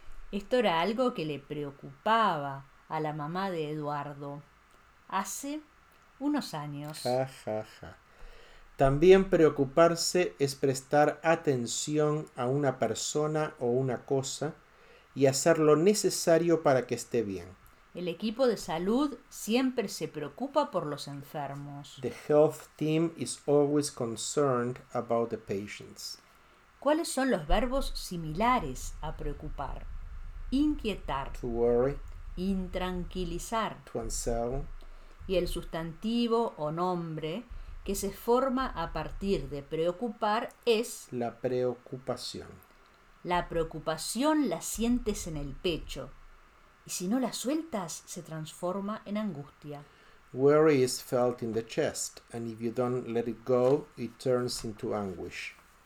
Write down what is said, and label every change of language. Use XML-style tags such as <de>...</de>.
<es>Esto era algo que le preocupaba a la mamá de Eduardo hace unos años. Ja, ja, ja. También preocuparse es prestar atención a una persona o una cosa y hacer lo necesario para que esté bien. El equipo de salud siempre se preocupa por los enfermos.</es> <en>The health team is always concerned about the patients.</en> <es>¿Cuáles son los verbos similares a preocupar? Inquietar,</es> <en>To worry,</en> <es>intranquilizar.</es> <en>to unsettle.</en> <es>Y el sustantivo o nombre que se forma a partir de preocupar es: La preocupación. la preocupación la sientes en el pecho y si no la sueltas se transforma en angustia.</es> <en>Worry is felt in the chest, and if you don't let it go, it turns into anguish.</en>